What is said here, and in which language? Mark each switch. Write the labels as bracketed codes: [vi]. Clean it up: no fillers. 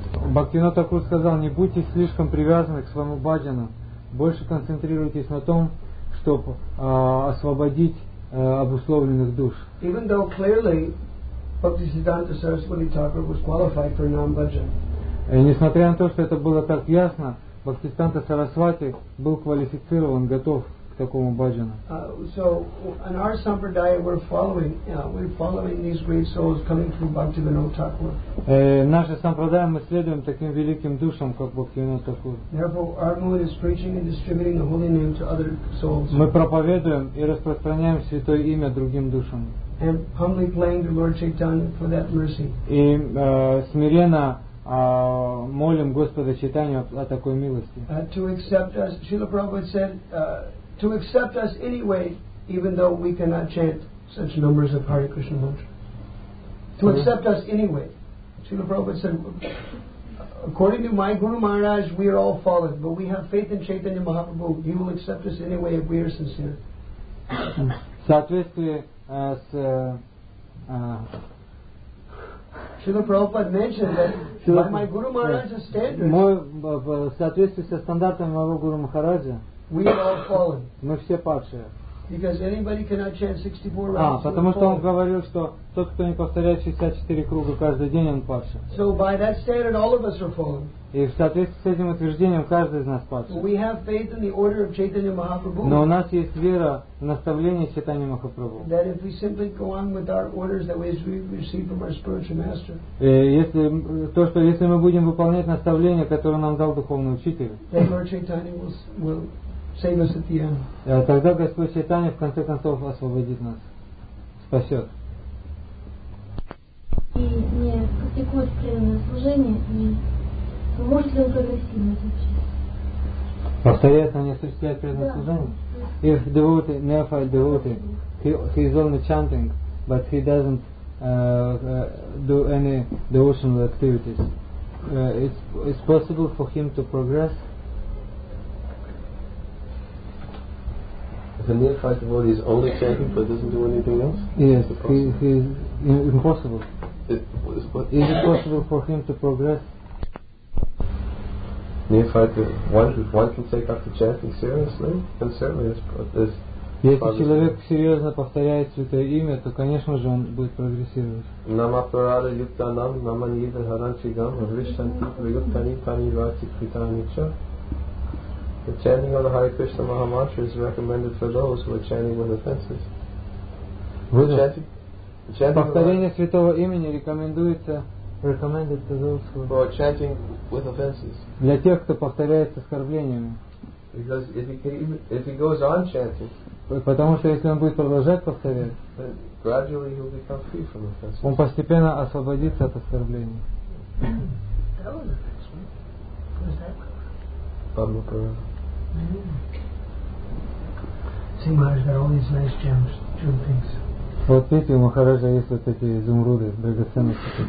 [ru] Бхактивинода Тхакур сказал: не будьте слишком привязаны к своему баджану, больше концентрируйтесь на том, чтобы освободить обусловленных душ. [en] Even though clearly Bhaktisiddhanta Saraswati Thakur was qualified for non-bhajan. [ru] Несмотря на то, что это было так ясно, Бхактисиддханта Сарасвати был квалифицирован, готов к такому баджану. [en] So in our sampradaya we're following, we're following these great souls coming from Bhaktivinoda Thakur. [ru] Наша сампрадая, мы следуем таким великим душам, как Бхактивинода Тхакур. [en] Therefore, our mood is preaching and distributing the holy name to other souls. [ru] Мы проповедуем и распространяем святое имя другим душам. [en] And humbly praying to Lord Chaitanya for that mercy. [ru] И смиренно молим Господа Чайтанью о такой милости. [en] To accept us, Srila Prabhupada said, to accept us anyway, even though we cannot chant such numbers of Hare Krishna mantra. To accept us anyway. Srila Prabhupada said, according to my Guru Maharaj, we are all fallen, but we have faith in Chaitanya Mahaprabhu. He will accept us anyway if we are sincere. [ru] Соответствие с... [en] Srila Prabhupada mentioned that by my Guru Maharaj's standards, [ru] в соответствии со стандартами моего Гуру Махараджа, [en] we are all fallen. [ru] Мы все падшие. [en] Because anybody cannot chant 64 rounds. [ru] Потому что он говорил, что тот, кто не повторяет 64 круга каждый день, он падший. [en] So by that standard, all of us are fallen. [ru] И в соответствии с этим утверждением, каждый из нас падший. [en] We have faith in the order of Chaitanya Mahaprabhu. [ru] Но у нас есть вера в наставление Чайтаньи Махапрабху. [en] That if we simply go on with our orders that we receive from our spiritual master. [ru] Если мы будем выполнять наставление, которое нам дал духовный учитель. [en] Then Lord Chaitanya will save us at the end. [ru] Тогда Господь Чайтанья в конце концов освободит нас, спасет. И не практикует преданное служение, и может ли он прогрессивно вообще? Повторяется, не осуществляет преданное служение. [en] If devotee, neophyte devotee, he is only chanting, but he doesn't do any devotional activities. It's possible for him to progress. The neophyte devotee is only chanting but doesn't do anything else? Yes, he is impossible. Is it possible for him to progress? Neophyte, one can take up the chanting seriously, then certainly it's... [ru] Если человек серьезно повторяет святое имя, то, конечно же, он будет прогрессировать. [sa] Нама прарада юкта нам, нама нида харанчи гам, вишанти прюкта ни пани вати притани ча. [en] The chanting of the Hare Krishna Maha Mantra is recommended for those who are chanting with offenses. [ru] Повторение святого имени [en] recommended to those who are chanting with offenses. [ru] Для тех, кто повторяет с оскорблениями. [en] Because if he goes on chanting, [ru] потому что если он будет продолжать повторять, [en] gradually he'll become free from offenses. [ru] Он постепенно освободится от оскорблений. [en] See, Maharaj got all these nice gems, jewel things. [ru] Вот видите, у Махараджа есть вот эти изумруды, драгоценности.